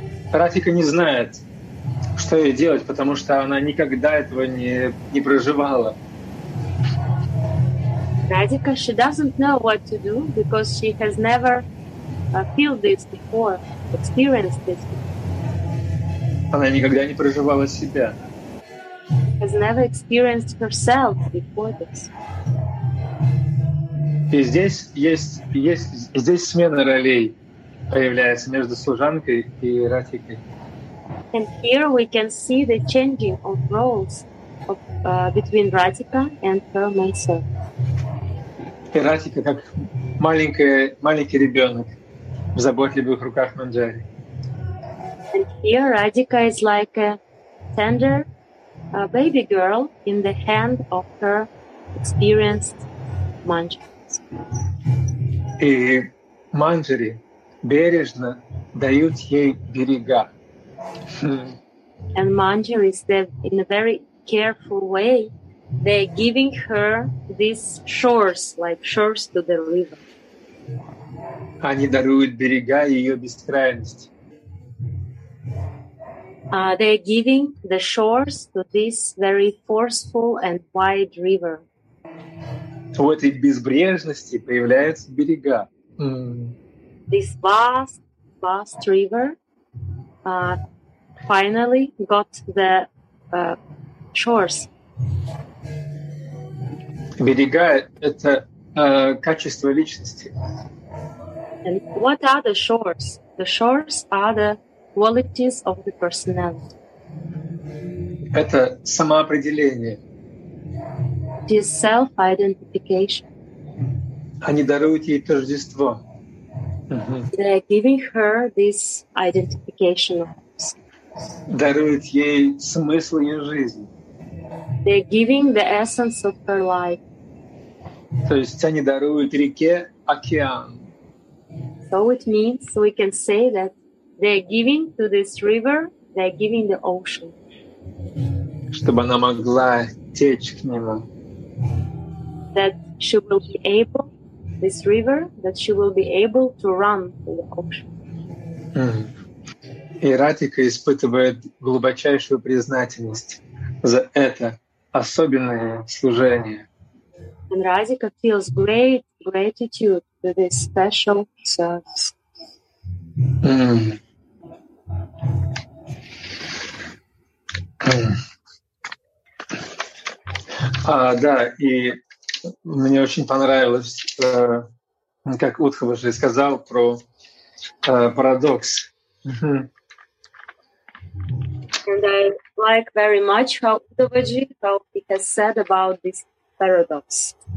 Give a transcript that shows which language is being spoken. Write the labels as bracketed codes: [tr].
[ru] Радика не знает, что ей делать, потому что она никогда этого не проживала. [en] Radhika, she doesn't know what to do, because she has never felt this before, experienced this before. [ru] Она никогда не проживала себя. [en] Has never experienced herself before this. [ru] И здесь здесь смена ролей появляется между служанкой и Радикой. [en] And here we can see the changing of roles of between Radhika and her maidservant. [ru] И Радика как маленький ребенок в заботливых руках Манджари. [en] And here Radhika is like a tender baby girl in the hand of her experienced Manjari. [ru] И Манджари бережно дают ей берега. [en] And Manjari is there in a very careful way. They're giving her these shores, like shores to the river. [ru] Они даруют берега ее бескрайности. [en] They're giving the shores to this very forceful and wide river. [ru] В этой безбрежности появляются берега. [en] This vast, vast river finally got the shores. [ru] Берега — это качество личности. [en] And what are the shores? The shores are the qualities of the personality. [ru] Это самоопределение. [en] It is self-identification. [ru] Они даруют ей тождество. [en] They are giving her this identification. [ru] Даруют ей смысл ее жизни. [en] They are giving the essence of her life. [ru] То есть они даруют реке океан. [en] So it means we can say that they're giving to this river, they're giving the ocean. [ru] Чтобы она могла течь к нему. [en] That she will be able, this river, that she will be able to run to the ocean. [ru] И Ратика испытывает глубочайшую признательность за это особенное служение. [en] And Radhika feels great gratitude for this special service. [ru] Да, и мне очень понравилось, как Удхова же сказал про парадокс. [en] And I like very much how Udhavaji, how he has said about this paradox.